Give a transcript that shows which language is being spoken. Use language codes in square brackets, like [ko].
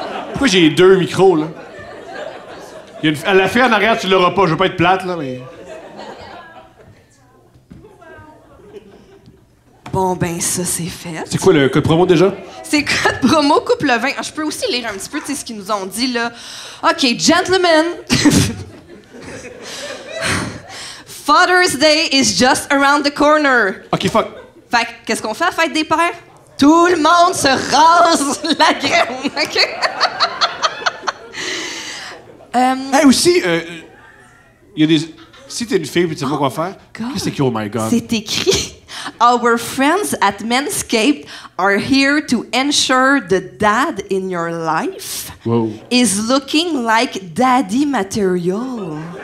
[fr] Pourquoi j'ai deux micros, là? Il y a la fille en arrière, tu l'auras pas. Je veux pas être plate, là, mais... Bon, ben ça, c'est fait. C'est quoi le code promo déjà? C'est code promo couple 20. Je peux aussi lire un petit peu, tu sais, ce qu'ils nous ont dit, là. [en] OK, gentlemen. Father's Day is just around the corner. OK, fuck. [fr] Fait que, qu'est-ce qu'on fait à la fête des pères? Tout le monde se rase la graine, OK? Hey, aussi, il y a des... Si t'es une fille et tu sais pas quoi faire, qu'est-ce qui est, [en] oh my God? [fr] C'est écrit... [en] Our friends at Manscaped are here to ensure the dad in your life whoa. Is looking like daddy material.